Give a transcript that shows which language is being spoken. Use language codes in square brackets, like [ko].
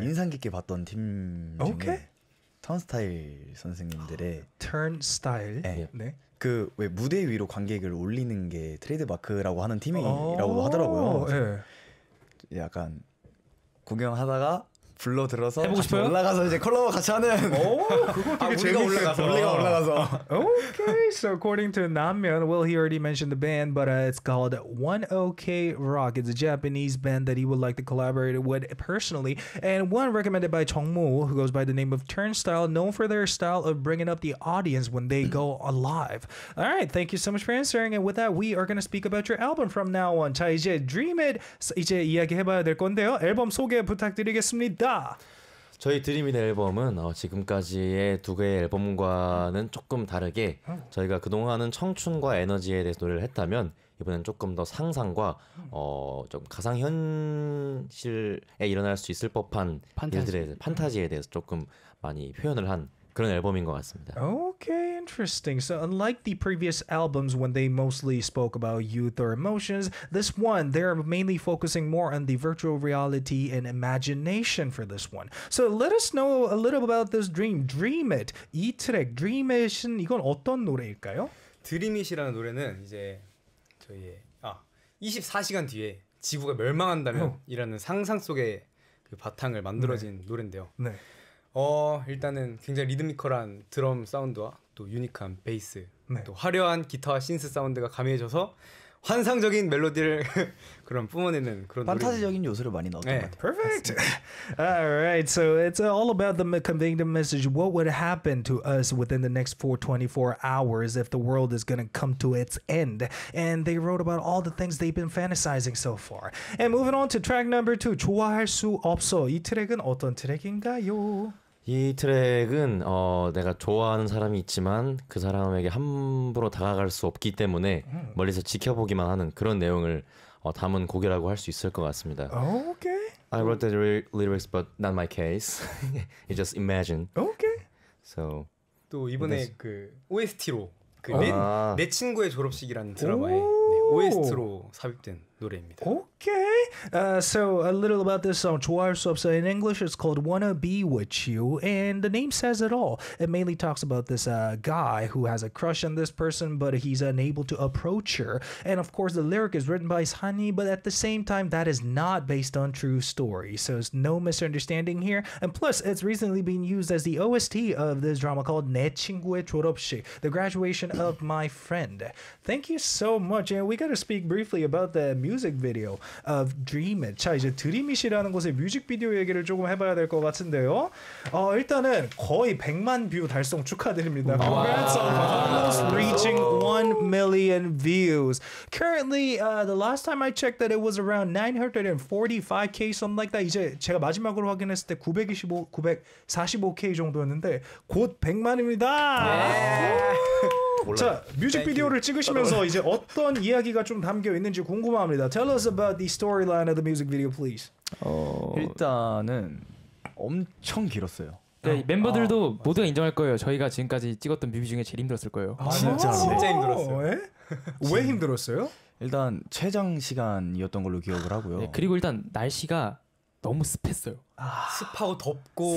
[ko] 인상 깊게 봤던 팀 중에 okay. 턴스타일 선생님들의 턴스타일 네. 네. 그 왜 무대 위로 관객을 올리는 게 트레이드마크라고 하는 팀이라고 하더라고요. 네. 약간 구경하다가 불러 들어서 해보고 싶어요? 올라가서 이제 컬러버 같이 하는 오 그거 되게 아, 재밌어 우리가 올라가서 [en] Okay, so according to Nam-myeon, well, he already mentioned the band, but it's called One OK Rock. It's a Japanese band that he would like to collaborate with personally, and one recommended by Jeongmu, who goes by the name of Turnstile, known for their style of bringing up the audience when they go alive. All right, thank you so much for answering, and with that, we are going to speak about your album from now on. [ko] 자, 이제 Dream It 이제 이야기해봐야 될 건데요. 앨범 소개 부탁드리겠습니다. 저희 드림잇 앨범은 지금까지의 두 개의 앨범과는 조금 다르게 저희가 그동안은 청춘과 에너지에 대해서 노래를 했다면 이번엔 조금 더 상상과 좀 가상현실에 일어날 수 있을 법한 판타지에 대해서 조금 많이 표현을 한 그런 앨범인 것 같습니다. [en] Okay, interesting. So unlike the previous albums when they mostly spoke about youth or emotions, this one, they're mainly focusing more on the virtual reality and imagination for this one. So let us know a little about this dream. [ko] Dream It. 이 트랙, Dream It은 이건 어떤 노래일까요? Dream It이라는 노래는 이제 저희의 24시간 뒤에 지구가 멸망한다면 이라는 상상 속의 그 바탕을 만들어진 네. 노래인데요. 네. 일단은 굉장히 리드미컬한 드럼 사운드와 또 유니크한 베이스 네. 또 화려한 기타와 신스 사운드가 가미해져서 환상적인 멜로디를 그런 뿜어내는 그런 판타지적인 노래. 요소를 많이 넣었던 네. 것 같아요. [en] Perfect. All right. So it's all about the conveying the message. What would happen to us within the next 24 hours if the world is going to come to its end? And they wrote about all the things they've been fantasizing so far. And moving on to track number 2. 좋아할 수 없어. [ko] 이 트랙은 어떤 트랙인가요? 이 트랙은 내가 좋아하는 사람이 있지만 그 사람에게 함부로 다가갈 수 없기 때문에 멀리서 지켜보기만 하는 그런 내용을 담은 곡이라고 할 수 있을 것 같습니다. [en] Okay. I wrote the lyrics, but not my case. You just imagine. Okay. So [ko] 또 이번에 this. 그 OST로 그 내 친구의 졸업식이라는 드라마에 네, OST로 삽입된 노래입니다. [en] Okay. So a little about this song. 좋아할 수 없어. In English, it's called Wanna Be With You. And the name says it all. It mainly talks about this guy who has a crush on this person, but he's unable to approach her. And of course, the lyric is written by Sunny, but at the same time, that is not based on true story. So it's no misunderstanding here. And plus, it's recently been used as the OST of this drama called 내 친구의 졸업식, The Graduation of My Friend. Thank you so much. And we got to speak briefly about the music video of Dream It. [ko] 자, 이제 드림잇이라는 곳의 뮤직비디오 얘기를 조금 해봐야 될 것 같은데요. 일단은 거의 100만 뷰 달성 축하드립니다. [en] Wow. Congrats on almost reaching 1 million views. Currently, the last time I checked that it was around 945K, something like that. [ko] 이제 제가 마지막으로 확인했을 때 945K 정도였는데 곧 100만입니다. [en] Yeah. [ko] 자, 뮤직비디오를 찍으시면서 이제 어떤 이야기가 좀 담겨 있는지 궁금합니다. [en] Tell us about the storyline of the music video, please. [ko] 일단은 엄청 길었어요. 네, 멤버들도 모두가 맞아요. 인정할 거예요. 저희가 지금까지 찍었던 뮤비 중에 제일 힘들었을 거예요. 진짜로? 진짜 힘들었어요. 왜 힘들었어요? 일단 최장 시간이었던 걸로 기억을 하고요. 네, 그리고 일단 날씨가 너무 습했어요. 습하고 덥고